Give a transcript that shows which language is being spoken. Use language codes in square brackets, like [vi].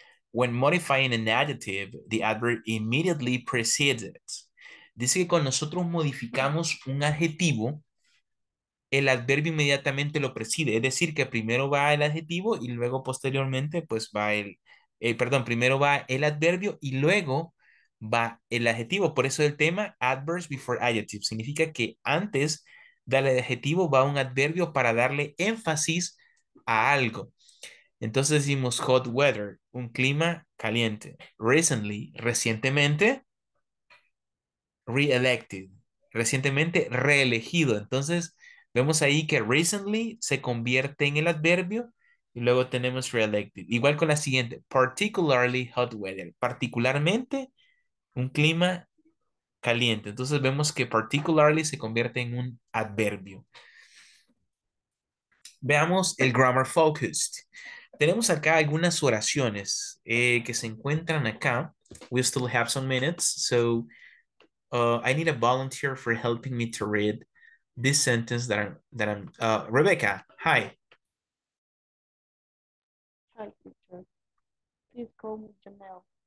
[en] When modifying an adjective, the adverb immediately precedes it. [es] Dice que cuando nosotros modificamos un adjetivo, el adverbio inmediatamente lo precede. Es decir, que primero va el adjetivo y luego posteriormente, pues va el... primero va el adverbio y luego... va el adjetivo. Por eso el tema [en] adverbs before adjective [es] significa que antes del adjetivo va un adverbio para darle énfasis a algo. Entonces decimos [en] hot weather, [es] un clima caliente. [en] Recently, [es] recientemente. [en] Re-elected, [es] recientemente reelegido. Entonces vemos ahí que recently se convierte en el adverbio y luego tenemos re-elected. Igual con la siguiente, [en] particularly hot weather, [es] particularmente un clima caliente. Entonces vemos que particularly se convierte en un adverbio. Veamos el [en] grammar focused. [es] Tenemos acá algunas oraciones que se encuentran acá. [en] We still have some minutes, so I need a volunteer for helping me to read this sentence that I'm Rebecca, hi. Hi, teacher. Please call me Janelle.